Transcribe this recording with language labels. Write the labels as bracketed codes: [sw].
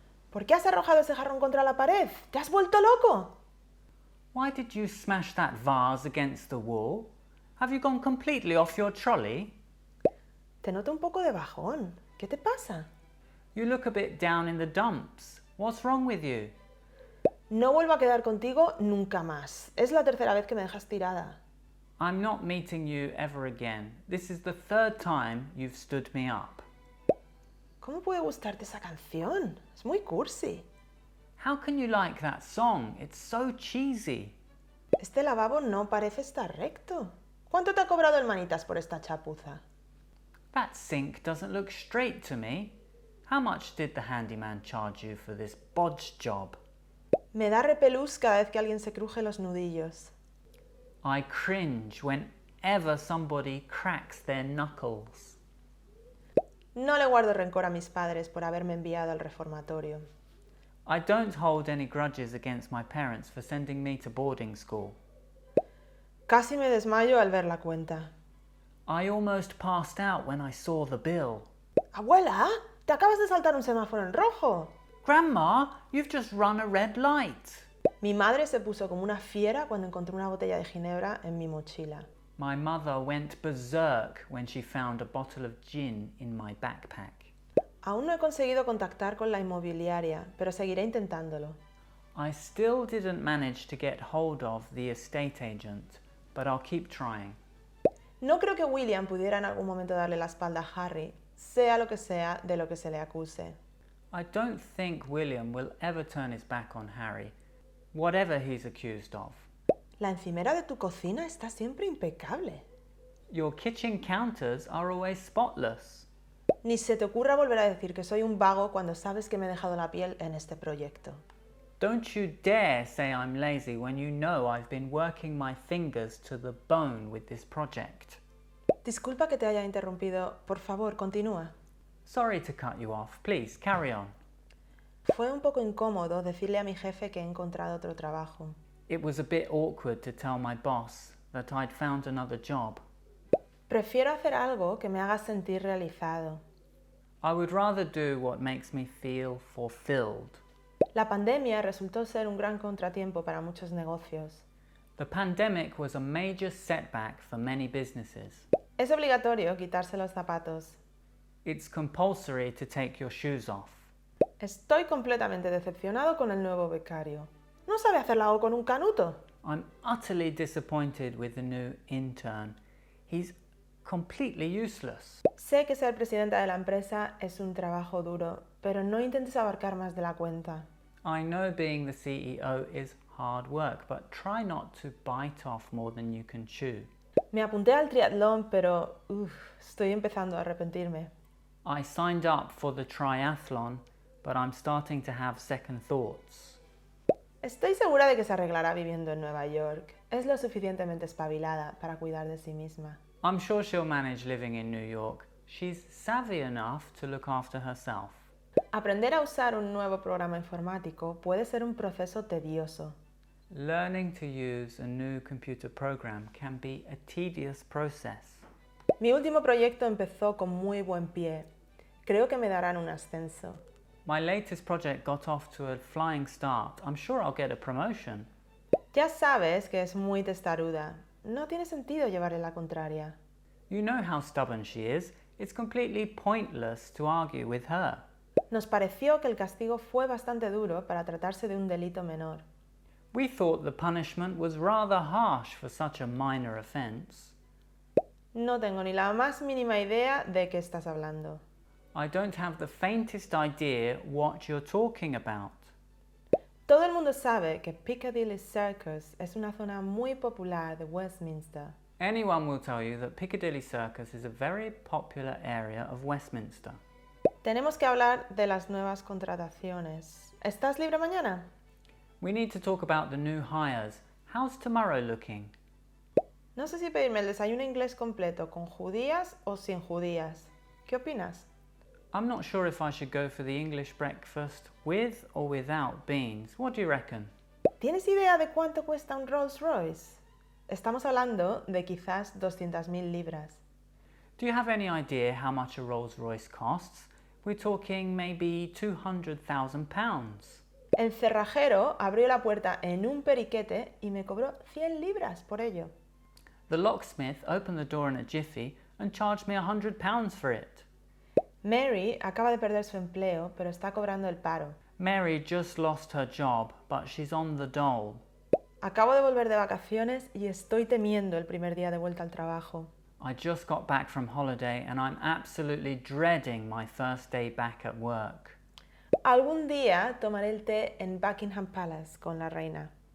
[es] ¿Por qué has arrojado ese jarrón contra la pared? ¡Te has vuelto loco! [en] Why did you smash that vase against the wall? Have you gone completely off your trolley? [es] Te noto un poco de bajón. ¿Qué te pasa? [en] You look a bit down in the dumps. What's wrong with you? [es] No vuelvo a quedar contigo nunca más. Es la tercera vez que me dejas tirada. [en] I'm not meeting you ever again. This is the third time you've stood me up. [es] ¿Cómo puede gustarte esa canción? Es muy cursi. [en] How can you like that song? It's so cheesy. [es] Este lavabo no parece estar recto. ¿Cuánto te ha cobrado el manitas por esta chapuza? [en] That sink doesn't look straight to me. How much did the handyman charge you for this bodge job? [es] Me da repelús cada vez que alguien se cruje los nudillos. [en] I cringe whenever somebody cracks their knuckles. [es] No le guardo rencor a mis padres por haberme enviado al reformatorio. [en] I don't hold any grudges against my parents for sending me to boarding school. [es] Casi me desmayo al ver la cuenta. [en] I almost passed out when I saw the bill. [es] ¿Abuela? ¡Te acabas de saltar un semáforo en rojo! [en] Grandma, you've just run a red light. [es] Mi madre se puso como una fiera cuando encontró una botella de ginebra en mi mochila. [en] My mother went berserk when she found a bottle of gin in my backpack. [es] Aún no he conseguido contactar con la inmobiliaria, pero seguiré intentándolo. [en] I still didn't manage to get hold of the estate agent, but I'll keep trying. [es] No creo que William pudiera en algún momento darle la espalda a Harry, sea lo que sea de lo que se le acuse. [en] I don't think William will ever turn his back on Harry, whatever he's accused of. [es] La encimera de tu cocina está siempre impecable. [en] Your kitchen counters are always spotless. [es] Ni se te ocurra volver a decir que soy un vago cuando sabes que me he dejado la piel en este proyecto. [en] Don't you dare say I'm lazy when you know I've been working my fingers to the bone with this project. [es] Disculpa que te haya interrumpido. Por favor, continúa. [en] Sorry to cut you off. Please, carry on. [es] Fue un poco incómodo decirle a mi jefe que he encontrado otro trabajo. [en] It was a bit awkward to tell my boss that I'd found another job. [es] Prefiero hacer algo que me haga sentir realizado. [en] I would rather do what makes me feel fulfilled. [es] La pandemia resultó ser un gran contratiempo para muchos negocios. [en] The pandemic was a major setback for many businesses. [es] Es obligatorio quitarse los zapatos. [en] It's compulsory to take your shoes off. [es] Estoy completamente decepcionado con el nuevo becario. No sabe hacer la O con un canuto. [en] I'm utterly disappointed with the new intern. He's completely useless. [es] Sé que ser presidenta de la empresa es un trabajo duro, pero no intentes abarcar más de la cuenta. [en] I know being the CEO is hard work, but try not to bite off more than you can chew. [es] Me apunté al triatlón, pero estoy empezando a arrepentirme. [en] I signed up for the triathlon, but I'm starting to have second thoughts. [es] Estoy segura de que se arreglará viviendo en Nueva York. Es lo suficientemente espabilada para cuidar de sí misma. [en] I'm sure she'll manage living in New York. She's savvy enough to look after herself. [es] Aprender a usar un nuevo programa informático puede ser un proceso tedioso. [en] Learning to use a new computer program can be a tedious process. [es] Mi último proyecto empezó con muy buen pie. Creo que me darán un ascenso. [en] My latest project got off to a flying start. I'm sure I'll get a promotion. [es] Ya sabes que es muy testaruda. No tiene sentido llevarle la contraria. [en] You know how stubborn she is. It's completely pointless to argue with her. [es] Nos pareció que el castigo fue bastante duro para tratarse de un delito menor. [en] We thought the punishment was rather harsh for such a minor offense. [es] No tengo ni la más mínima idea de qué estás hablando. [en] I don't have the faintest idea what you're talking about. [es] Todo el mundo sabe que Piccadilly Circus es una zona muy popular de Westminster. [en] Anyone will tell you that Piccadilly Circus is a very popular area of Westminster. [es] Tenemos que hablar de las nuevas contrataciones. ¿Estás libre mañana? [en] We need to talk about the new hires. How's tomorrow looking? [es] No sé si pedirme el desayuno inglés completo con judías o sin judías. ¿Qué opinas? [en] I'm not sure if I should go for the English breakfast with or without beans. What do you reckon? [es] ¿Tienes idea de cuánto cuesta un Rolls Royce? Estamos hablando de quizás 200.000 libras. [en] Do you have any idea how much a Rolls Royce costs? We're talking maybe £200,000. [es] El cerrajero abrió la puerta en un periquete y me cobró 100 libras por ello. [en] The locksmith opened the door in a jiffy and charged me £100 for it. [es] Mary acaba de perder su empleo, pero está cobrando el paro. [en] Mary just lost her job, but she's on the dole. [es] Acabo de volver de vacaciones y estoy temiendo el primer día de vuelta al trabajo. [en] I just got back from holiday and I'm absolutely dreading my first day back at work. [es] Algún día tomaré el té en Buckingham Palace con la reina.